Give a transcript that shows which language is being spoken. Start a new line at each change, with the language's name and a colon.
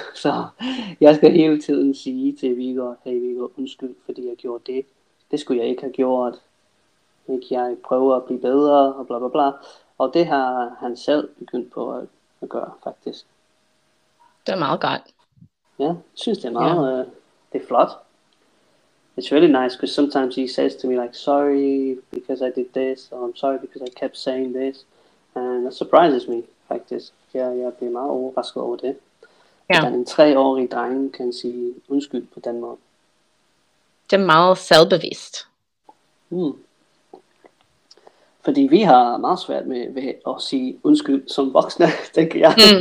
Danish: Så jeg skal hele tiden sige til Viggo, hey Viggo, undskyld, fordi jeg gjorde det. Det skulle jeg ikke have gjort. Ikke jeg prøver at blive bedre, og bla bla bla. Og det har han selv begyndt på at gøre, faktisk. Det er meget godt. Ja, jeg synes, det er meget Det er flot.
English: It's really nice because sometimes he says to me like, sorry because I did this, or I'm sorry because I kept saying this. And that surprises me. Like this,
Danish: jeg bliver meget overrasket over det.
English: Yeah.
Danish: At en 3-årig dreng kan sige undskyld på den måde. Det er meget selvbevidst. Fordi vi har meget svært med ved at sige undskyld som voksne, tænker jeg.